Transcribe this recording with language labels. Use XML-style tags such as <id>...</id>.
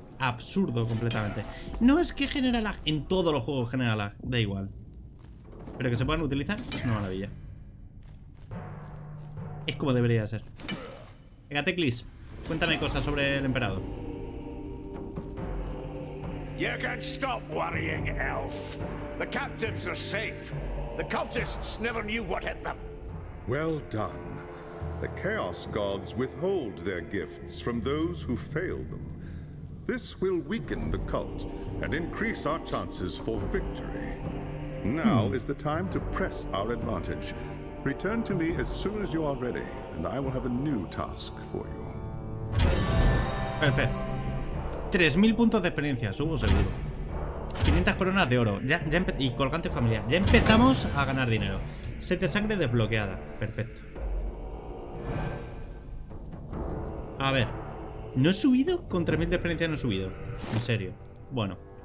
<es>Absurdo completamente. No es que genera lag. En todos los juegos genera lag, da igual. Pero que se puedan utilizar es una maravilla. Es como debería ser. Venga, Teclis, cuéntame cosas sobre el emperador.</es> <en>You can stop worrying, elf. The captives are safe. The cultists never knew what hit them. Well done. The chaos gods withhold their gifts from those who fail them. This will weaken the cult and increase our chances for victory. Now is the time to press our advantage. Return to me as soon as you are ready, and I will have a new task for you.</en> <es>Perfecto. 3.000 puntos de experiencia, subo seguro. 500 coronas de oro. Y colgante familiar. Ya empezamos a ganar dinero. 7 sangre desbloqueada. Perfecto. A ver. ¿No he subido? Con 3.000 de experiencia no he subido. En serio. Bueno.</es>